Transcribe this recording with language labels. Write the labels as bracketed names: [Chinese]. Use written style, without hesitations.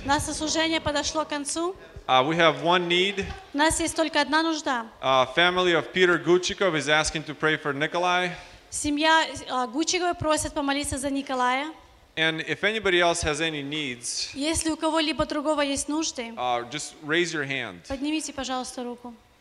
[Russian] Наше служение подошло к концу. [English] We have one need. [Russian] У нас есть только одна нужда. [English] Family of Peter Guchikov is asking to pray for Nikolai. [Russian] Семья Гучиговой просит помолиться за Николая. [English] And if anybody else has any needs, [Russian] если у кого-либо другого есть нужды, [English] just raise your hand. [Russian] Поднимите, пожалуйста, руку.